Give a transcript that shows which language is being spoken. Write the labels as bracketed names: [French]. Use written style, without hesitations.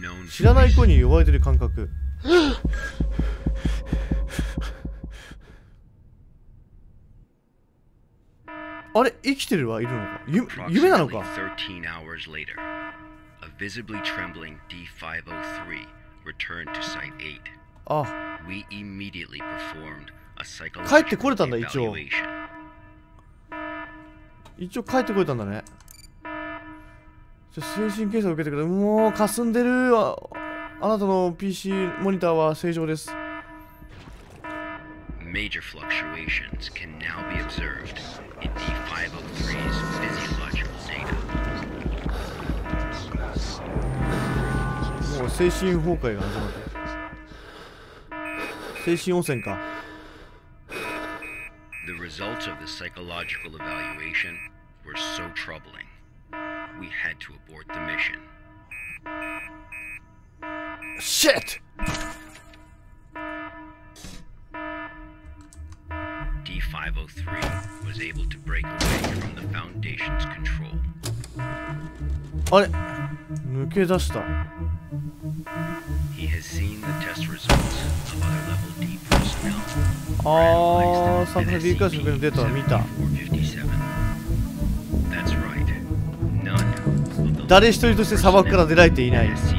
[Japanese] 知らない子に呼ばれてる感覚。あれ、生きてるわ、いるのか。夢なのか。 [English] 13 hours later, a visibly trembling D503 returned to site 8. Ah. We immediately performed a psychological evaluation. [Japanese] 帰ってこれたんだ、一応。一応帰ってこれたんだね。じゃ、精神検査を受けてください。もう、霞んでるわ。あなたの PC モニターは正常です。 [English] Major fluctuations can now be observed in D503's physiological data. [Japanese] もう精神崩壊が始まった。精神汚染か。 [English] The results of the psychological evaluation were so troubling. We had to abort the mission. Shit! D503 was able to break away from the Foundation's control. [Japanese] あれ、抜け出した。 [English] He has seen the test results of other level D personnel. [Japanese] あー、さっきの D 回線のデータは見た。 [English] That's right. None of the [Japanese] 誰一人として砂漠から出られていない。